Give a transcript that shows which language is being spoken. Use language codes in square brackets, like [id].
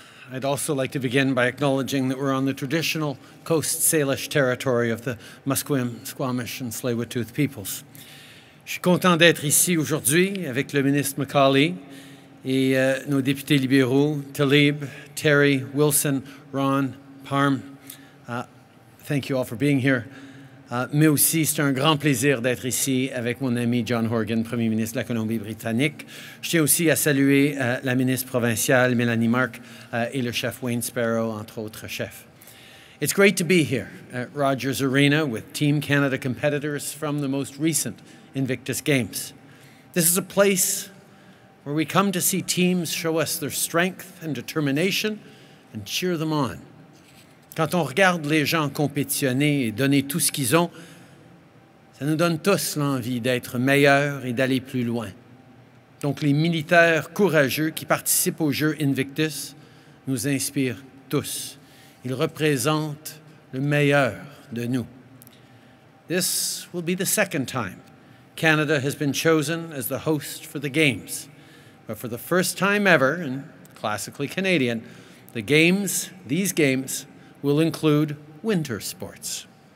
[en] I'd also like to begin by acknowledging that we're on the traditional Coast Salish territory of the Musqueam, Squamish, and Tsleil-Waututh peoples. [fr] Je suis content d'être ici aujourd'hui avec le ministre McCauley et nos députés libéraux, Talib, Terry, Wilson, Ron, Parm. [en] Thank you all for being here. [fr] Mais aussi, c'est un grand plaisir d'être ici avec mon ami John Horgan, premier ministre de la Colombie-Britannique. Je tiens aussi à saluer la ministre provinciale, Melanie Mark, et le chef Wayne Sparrow, entre autres chefs. [en] It's great to be here at Rogers Arena with Team Canada competitors from the most recent Invictus Games. This is a place where we come to see teams show us their strength and determination and cheer them on. [fr] Quand on regarde les gens compétitionner et donner tout ce qu'ils ont, ça nous donne tous l'envie d'être meilleurs et d'aller plus loin. Donc les militaires courageux qui participent au jeu Invictus nous inspirent tous. Ils représentent le meilleur de nous. [en] This will be the second time Canada has been chosen as the host for the Games. But for the first time ever, and classically Canadian, these games, will include winter sports.